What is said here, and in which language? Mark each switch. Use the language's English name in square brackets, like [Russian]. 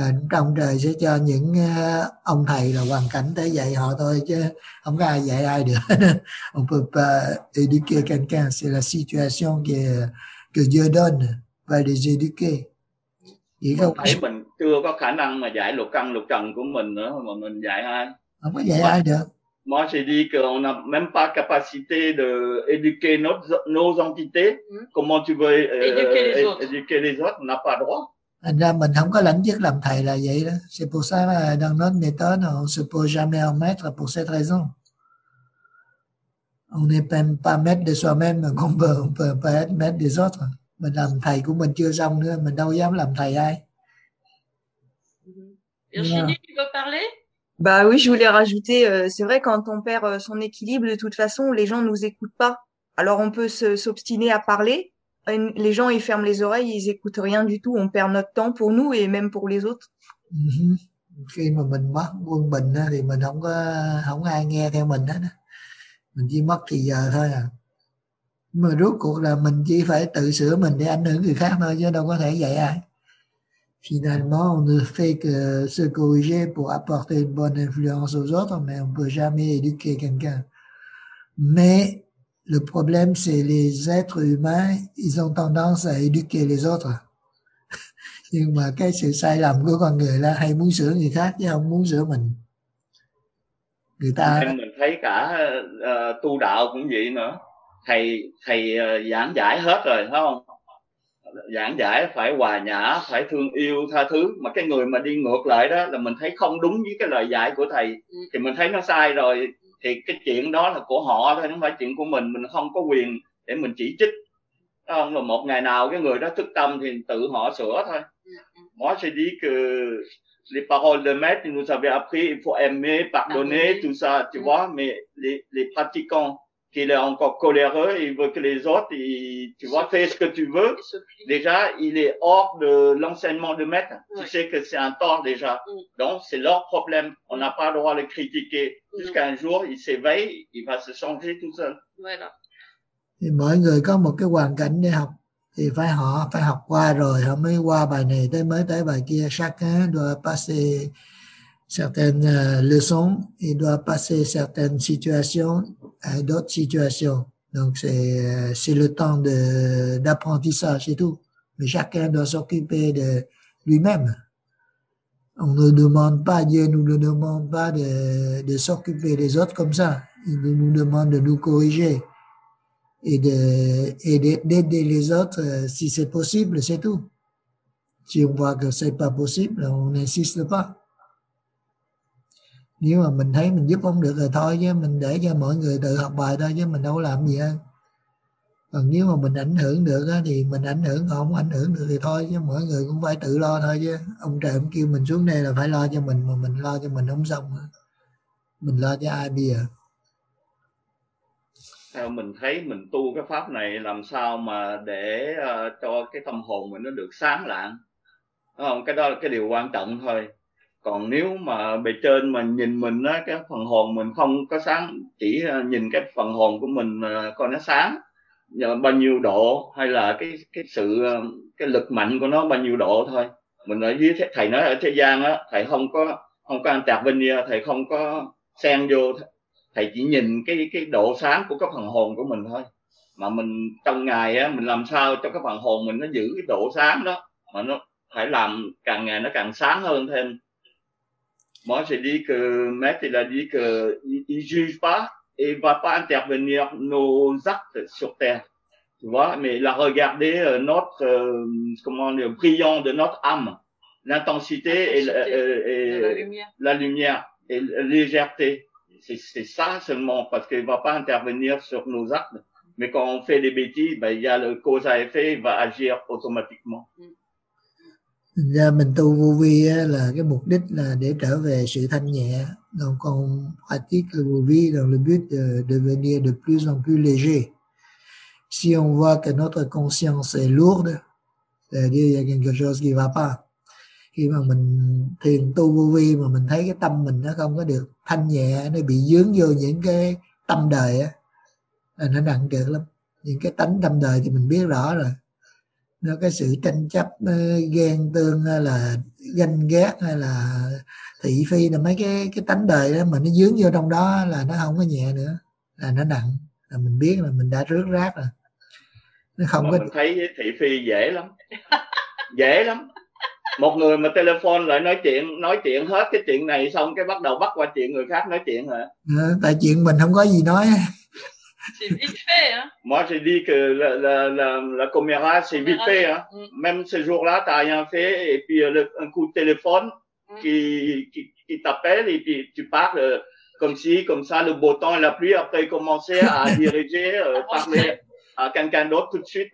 [Vietnamese] Trong trời sẽ cho những ông thầy là hoàn cảnh tới dạy họ thôi chứ không có ai dạy ai được. [French] On peut pas éduquer quelqu'un, c'est la situation que Dieu donne và les éduquer. [Vietnamese] Chỉ không phải mình chưa có khả năng mà dạy lục căn lục trần của mình nữa mà mình dạy ai, không có dạy ai được. [French] Moi j'ai dit qu'on n'a même pas capacité de éduquer nos entités. Comment tu veux éduquer les autres? On n'a pas droit. [Vietnamese] Thành ra mình không có lãnh chức làm thầy là vậy đó. [French] C'est pour ça là dans notre méthode, on se pose jamais en maître pour cette raison. On n'est même pas maître de soi-même, on peut pas être maître des autres. [Vietnamese] Mình làm thầy của mình chưa xong nữa, mình đâu dám làm thầy ai. [French] Virginie, tu veux parler? Bah oui, je voulais rajouter, c'est vrai, quand on perd son équilibre, de toute façon, les gens ne nous écoutent pas. Alors on peut s'obstiner à parler, les gens ils ferment les oreilles, ils n'écoutent rien du tout, on perd notre temps pour nous et même pour les autres. [Vietnamese] Khi mà mình mất quân bình á, thì mình không có không ai nghe theo mình hết á. Mình chỉ mất thì giờ thôi à. Mà rốt cuộc là mình chỉ phải tự sửa mình để ảnh hưởng người khác thôi chứ đâu có thể dạy ai. [French] Finalement, on ne fait que se corriger pour apporter une bonne influence aux autres, mais on ne peut jamais éduquer quelqu'un. Mais le problème, c'est que les êtres humains, ils ont tendance à éduquer les autres. [Vietnamese] Nhưng mà cái sự sai lầm của con người là hay muốn sửa người khác chứ không muốn sửa mình. Người ta... Em mình thấy cả tu đạo cũng vậy nữa. Thầy giảng giải hết rồi, phải không? Giảng giải phải hòa nhã, phải thương yêu, tha thứ. Mà cái người mà đi ngược lại đó là mình thấy không đúng với cái lời dạy của thầy. Thì mình thấy nó sai rồi. Thì cái chuyện đó là của họ thôi, không phải chuyện của mình. Mình không có quyền để mình chỉ trích. Phải không? Là một ngày nào cái người đó thức tâm thì tự họ sửa thôi. [French] Moi, je dis que les paroles de maître, nous avons appris, il faut aimer, pardonner, tout ça, tu vois, mais les pratiquants, qu'il est encore coléreux, il veut que les autres, il, tu vois, fais ce que tu veux, déjà, il est hors de l'enseignement de maître. Tu sais que c'est un tort déjà. Donc, c'est leur problème. On n'a pas le droit de le critiquer. Jusqu'à un jour, il s'éveille, il va se changer tout seul. Voilà. [Vietnamese] Et mọi người có một cái hoàn cảnh để học. Thì phải họ phải học qua rồi họ mới qua bài này tới mới tới bài kia. [French] Chacun doit passer certaines leçons, il doit passer certaines situations et d'autres situations. Donc c'est le temps de d'apprentissage et tout. Mais chacun doit s'occuper de lui-même. On ne demande pas, Dieu nous le demande pas de s'occuper des autres comme ça. Il nous demande de nous corriger. Et d'aider les autres si c'est possible, c'est tout. Si on voit que c'est pas possible, on n'insiste pas. [Vietnamese] Nếu mà mình thấy mình giúp không được rồi thôi chứ mình để cho mọi người tự học bài thôi chứ mình đâu làm gì hết. Còn nếu mà mình ảnh hưởng được á thì mình ảnh hưởng, không ảnh hưởng được thì thôi chứ mọi người cũng phải tự lo thôi chứ. Ông trời ông kêu mình xuống đây là phải lo cho mình mà mình lo cho mình không xong. Mình lo cho ai bây giờ? Theo mình thấy mình tu cái pháp này làm sao mà để cho cái tâm hồn mình nó được sáng lạng. Đúng không? Cái đó là cái điều quan trọng thôi. Còn nếu mà bề trên mà nhìn mình á, cái phần hồn mình không có sáng, chỉ nhìn cái phần hồn của mình coi nó sáng bao nhiêu độ, hay là cái sự, cái lực mạnh của nó bao nhiêu độ thôi. Mình ở dưới, thầy nói ở thế gian á, thầy không có ăn tạp bên nhà, thầy không có xen vô. Thầy chỉ nhìn cái độ sáng của cái phần hồn của mình thôi. Mà mình trong ngày á, mình làm sao cho cái phần hồn mình nó giữ cái độ sáng đó. Mà nó phải làm càng ngày nó càng sáng hơn thêm. [French] Moi j'ai dit que maître il a dit que il juge pas et va pas intervenir nos actes sur terre. Tu vois, mais il a regardé notre comment dire, brillant de notre âme, l'intensité et la lumière et la légèreté. C'est ça seulement, parce qu'il va pas intervenir sur nos actes. Mais quand on fait des bêtises, ben, il y a le cause à effet, il va agir automatiquement. [Vietnamese] Là mình tu vô vi là cái mục đích là để trở về sự thanh nhẹ. [French] Donc on pratique vô vi dans le but de devenir de plus en plus léger. Si on voit que notre conscience est lourde, c'est-à-dire il y a quelque chose qui va pas. [Vietnamese] Khi mà mình thiền tu vô vi mà mình thấy cái tâm mình nó không có được thanh nhẹ, nó bị dướng vô những cái tâm đời á, là nó nặng trịch lắm. Những cái tánh tâm đời thì mình biết rõ rồi. Nó cái sự tranh chấp, ghen tương hay là ganh ghét hay là thị phi, là mấy cái tánh đời đó mà nó dướng vô trong đó là nó không có nhẹ nữa, là nó nặng, là mình biết là mình đã rước rác rồi. Nó không mà có mình thấy thị phi dễ lắm. Dễ lắm. Một người mà telephone lại nói chuyện hết cái chuyện này xong cái bắt đầu bắt qua chuyện người khác nói chuyện hả? Tại chuyện mình không có gì nói. [French] C'est vite fait, hein? Moi, j'ai dit que la caméra, c'est vite fait, hein? Même ce jour-là, t'as rien fait, et puis un coup de téléphone qui t'appelle, et puis tu parles comme si, comme ça, le beau temps et la pluie, après, commençaient à diriger, parler à quelqu'un d'autre tout de suite.